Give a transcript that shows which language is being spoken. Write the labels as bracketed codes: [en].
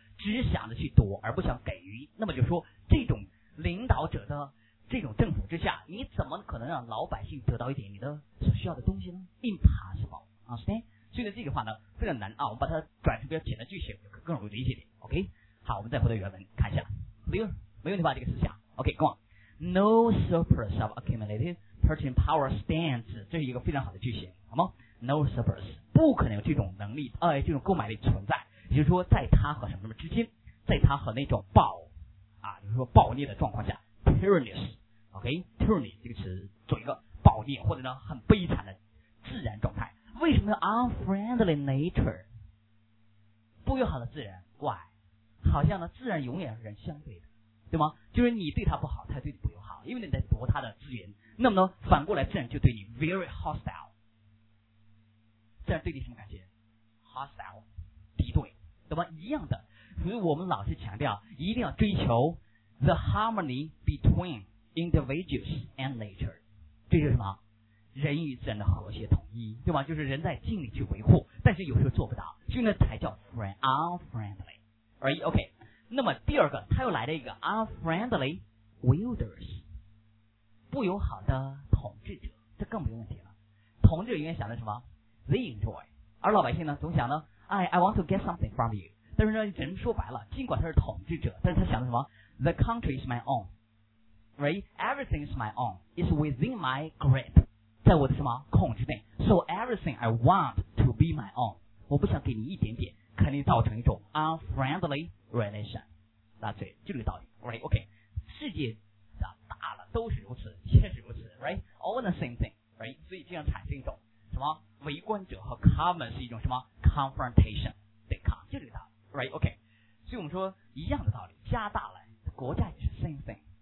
[zh] 只想着去夺，而不想给予。那么就说，这种领导者的这种政府之下，你怎么可能让老百姓得到一点你的所需要的东西呢 ？ [en] Impossible， understand？ [zh] 所以呢，这句话呢非常难啊，我们把它转成比较简单句型，就更容易理解点。 OK， 好，我们再回到原文看一下。 [en] Clear？ [zh] 没问题吧？这个思想 [en] ？OK， go on。 No surplus of accumulated purchasing power stands， [zh] 这是一个非常好的句型，好吗？ No surplus， 不可能有这种能力，这种购买力存在。也就是说，在他和什么什么之间，在他和那种暴，啊，就是说暴虐的状况下 ，tyrannous， OK， tyranny 这个词做一个暴虐或者呢很悲惨的自然状态。为什么要 [en] unfriendly nature， [zh] 不友好的自然 ？Why？好像呢，自然永远是人相对的，对吗？就是你对他不好，他对你不友好，因为你在夺他的资源。那么呢，反过来自然就对你 [en] very hostile。 [zh] 自然对你什么感觉 ？hostile， 敌对，对吧？一样的，所以我们老是强调，一定要追求 [en] the harmony between individuals and nature， [zh] 这就是什么？人与自然的和谐统一，对吧？就是人在尽力去维护，但是有时候做不到，所以那才叫 unfriendly， right？ OK， 那么第二个，他又来了一个 [en] unfriendly wielders， [zh] 不友好的统治者。更没问题了。统治人员想的什么？ [en] They enjoy， [zh] 而老百姓呢，总想呢， [en] I want to get something from you。 [zh] 但是呢，人说白了，尽管他是统治者，但是他想的什么？ [en] The country is my own， right？ Everything is my own， It's within my grip， [zh] 在我的什么控制内。 [en] So everything I want to be my own， [zh] 我不想给你一点点，肯定造成一种 [en] unfriendly relation。 That's it， [zh] 就这个道理， [en] right？ [zh] OK， 世界大了都是如此，也是如此， right？ [en] All the same thing， right？ [zh] 所以这样产生一种什么围观者和 common 是一种什么 confrontation， 对抗，就这个道理， right？ OK， 所以我们说一样的道理，加大了国家也是 [en] same thing。